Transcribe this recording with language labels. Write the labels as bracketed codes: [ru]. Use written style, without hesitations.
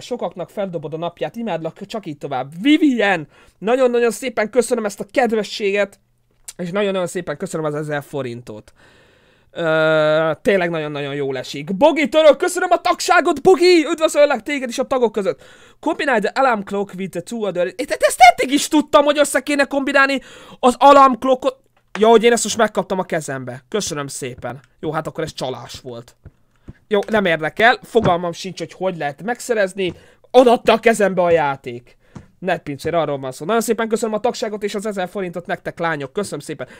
[hu] Sokaknak feldobod a napját, imádlak, csak így tovább. Vivien, nagyon-nagyon szépen köszönöm ezt a kedvességet, és nagyon-nagyon szépen köszönöm az 1000 forintot. Tényleg nagyon-nagyon jól esik. Bogi török, köszönöm a tagságot, Bogi! Üdvözöllek téged is a tagok között. [en] Combine the alarm clock with the two other... [hu] Én ezt eddig is tudtam, hogy össze kéne kombinálni az alarm clockot. Ja, hogy én ezt most megkaptam a kezembe. Köszönöm szépen. Jó, hát akkor ez csalás volt. Jó, nem érdekel. Fogalmam sincs, hogy hogy lehet megszerezni. Odaadta a kezembe a játék. Netpincér, arról van szó. Nagyon szépen köszönöm a tagságot és az 1000 forintot nektek, lányok. Köszönöm szépen.